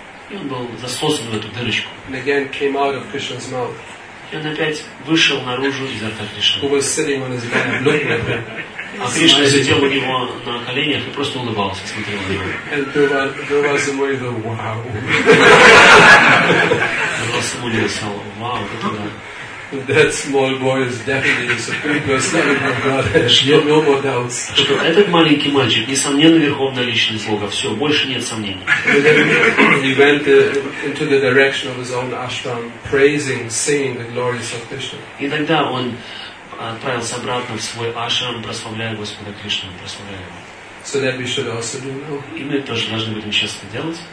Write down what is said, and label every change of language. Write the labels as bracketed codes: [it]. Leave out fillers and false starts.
[ru] И он был засосан в эту дырочку. [en] And again came out of Krishna's mouth. [ru] И он опять вышел наружу изо рта Кришны. [en] Who was sitting on his bed, looking at him. [ru] А Кришна сидел у него на коленях и просто улыбался, смотрел на него. [en] And Durva Samuni said, wow. [ru] Durva Samuni сказал, wow, это да. [en] That small boy is definitely the supreme personality of Godhead. No more doubts. [ru] Что этот маленький мальчик, несомненно, верховная личность Бога. Все, больше нет сомнений. [en] He went into the direction of his own ashram, praising, singing the glories of Krishna. [ru] И тогда он отправился обратно в свой ашрам, прославляя Господа Кришну, прославляя его. [en] So that we should also do now. [ru] И мы тоже должны будем честно делать.